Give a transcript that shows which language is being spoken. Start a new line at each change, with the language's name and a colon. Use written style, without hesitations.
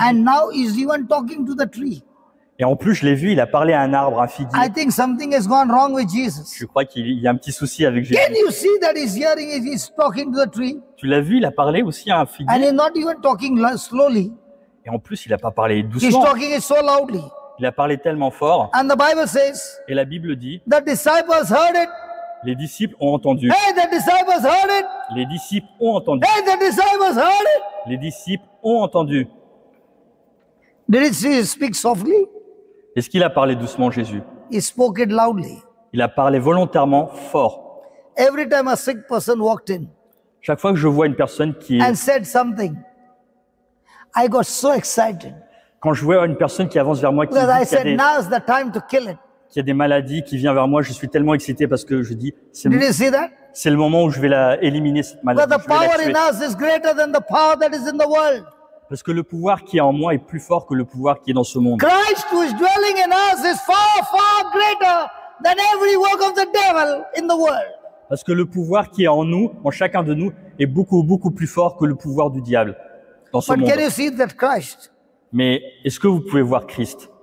English: And now he's even talking to the tree.
French: Et en plus, je l'ai vu, il a parlé à un arbre, à un figuier.
English: I think something has gone wrong with Jesus.
French: Je crois qu'il y a un petit souci avec Jésus.
English: Can you see that he's hearing, he's talking to the tree?
French: Tu l'as vu, il a parlé aussi à un figuier.
English: And he's not even talking slowly.
French: Et en plus, il n'a pas parlé doucement.
English: He's talking so loudly.
French: Il a parlé tellement fort.
English: And the Bible says,
French: et la Bible dit,
English: the disciples heard it.
French: Les disciples ont entendu.
English: Hey, the disciples heard it.
French: Les disciples ont entendu.
English: Hey, the disciples heard it.
French: Les disciples ont entendu.
English: Did he speak softly?
French: Est-ce qu'il a parlé doucement, Jésus?
English: He spoke it loudly.
French: Il a parlé volontairement fort.
English: Every time a sick person walked in,
French: chaque fois que je vois une personne qui est,
English: and said something, I got so excited.
French: Quand je vois une personne qui avance vers moi qui
English: Because
French: dit
English: I said, now's the time to kill it.
French: Qu'il y a des maladies qui vient vers moi, je suis tellement excité parce que je dis c'est,
English: Did you see that?
French: C'est le moment où je vais la éliminer cette maladie.
English: But the power in us is greater than the power that is in the world.
French: Parce que le pouvoir qui est en moi est plus fort que le pouvoir qui est dans ce monde.
English: Christ who is dwelling in us is far, far greater than every work of the devil in the world.
French: Parce que le pouvoir qui est en nous, en chacun de nous, est beaucoup, beaucoup plus fort que le pouvoir du diable dans ce
English: But
French: monde.
English: Can you see that Christ?
French: Mais est-ce que vous pouvez voir Christ?